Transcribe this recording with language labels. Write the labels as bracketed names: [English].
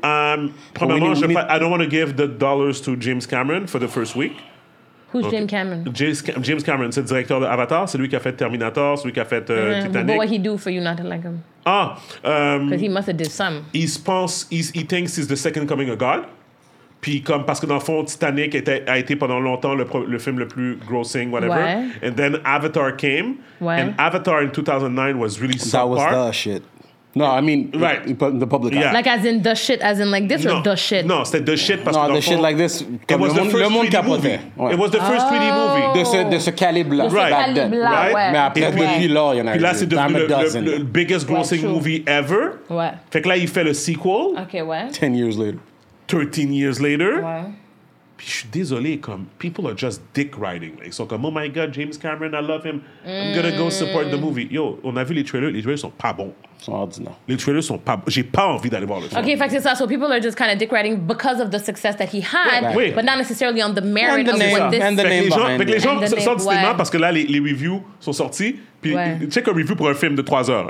[English] Premièrement, I don't want to give the dollars to James Cameron for the first week. Who's Jim Cameron? [French] James Cameron, c'est le directeur de Avatar, c'est lui qui a fait Terminator, celui qui a fait Titanic. [English] But what he do for you not to like him? Ah, because he must have did some. He thinks he's the second coming of God. [French] Puis comme parce que dans le fond Titanic a été pendant longtemps le film le plus grossing whatever. Ouais. [English] And then Avatar came. [French] Ouais. [English] And Avatar in 2009 was really so that far. That was the shit. No, I mean, right. The public eye. Yeah. Like as in the shit, as in like this or the shit? No, c'était the shit parce que... No, the shit like this. It was the first 3D movie. Ouais. It was the first 3D movie. [French] De ce calibre-là. [English] Right. Back then. Right. [French] Mais après, depuis là, il y en a eu. Puis là, c'est devenu le [English] biggest grossing movie ever. [French] Ouais. Fait que là, il fait le sequel. OK, ouais. [English] 10 years later. 13 years later. [French] Ouais. Puis je suis désolé, comme, [English] people are just dick riding. [French] Ils sont comme, [English] oh my God, James Cameron, I love him. I'm gonna go support the movie. [French] Yo, on a vu les trailers sont pas bons. Les trailers sont pas. J'ai pas envie d'aller voir le film. [English] Okay, fact is that so people are just kind of dick riding because of the success that he had, but not necessarily on the merit and the name of what this. And the name [French] les gens sortent du cinéma parce que là les reviews sont sortis. Puis [English] check a review [French] pour un film de 3 heures.